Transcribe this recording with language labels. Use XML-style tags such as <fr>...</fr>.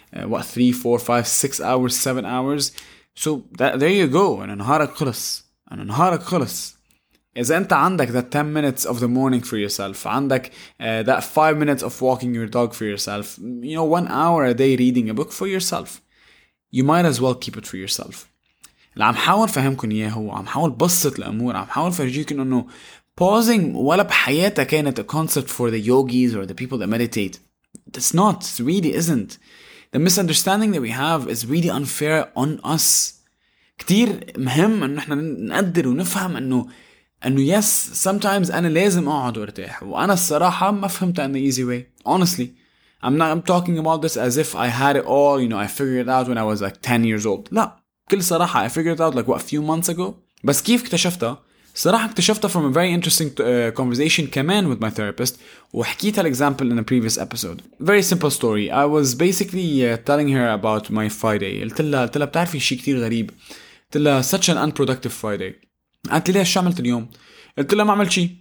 <en>What, 3, 4, 5, 6 hours, 7 hours. So, that, there you go.</en> <ar>أنا نهارك خلص. أنا نهارك خلص. إذا أنت عندك</ar> <en>that 10 minutes of the morning for yourself, عندك that 5 minutes of walking your dog for yourself, you know, 1 hour a day reading a book for yourself, you might as well keep it for yourself.</en> <ar>اللي عم حاول فهمكن إياه هو عم حاول بسط الأمور, عم حاول فرجيكن أنه pausing ولا بحياتها كانت</ar> <en>a concept for the yogis or the people that meditate. It's not, it really isn't. The misunderstanding that we have is really unfair on us.</en> <ar>كتير مهم أنه إحنا نقدر ونفهم أنه</ar> <en>yes, sometimes</en> <ar>أنا لازم أقعد وارتاح, وأنا الصراحة ما فهمت عن</ar> <en>the easy way, honestly. I'm talking about this as if I had it all, you know, I figured it out when I was like 10 years old.</en> <ar>لا, كل صراحة</ar> <en>I figured it out like what, a few months ago.</en> <ar>بس كيف اكتشفتها؟ صراحة اكتشفتها</ar> <en>from a very interesting conversation كمان with my therapist, وحكيت هالexample in a previous episode. Very simple story. I was basically telling her about my Friday.</en> <ar>قلت لها بتعرفي شيء كتير غريب. قلت لها</ar> <en>such an unproductive Friday.</en> <ar>قالت لي ليش عملت اليوم؟ قلت لها ما عملت شيء.</ar>